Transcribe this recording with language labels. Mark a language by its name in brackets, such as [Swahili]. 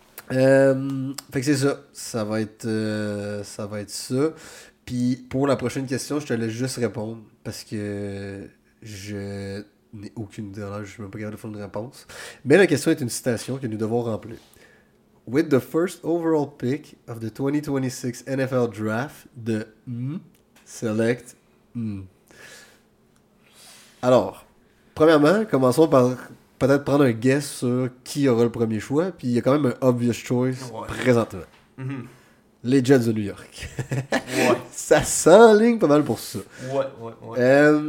[French] Fait que c'est ça. Ça va être ça. Puis pour la prochaine question, je te laisse juste répondre. Parce que je. N'ai aucune idée, là, je ne suis même pas capable de faire une réponse. Mais la question est une citation que nous devons remplir. [English] With the first overall pick of the 2026 NFL draft, the select. [French] Alors, premièrement, commençons par peut-être prendre un guess sur qui aura le premier choix. Puis il y a quand même un [English] obvious choice [French] présentement. Mm-hmm. Les Jets de New York. Ouais. Ça s'enligne pas mal pour ça. Ouais.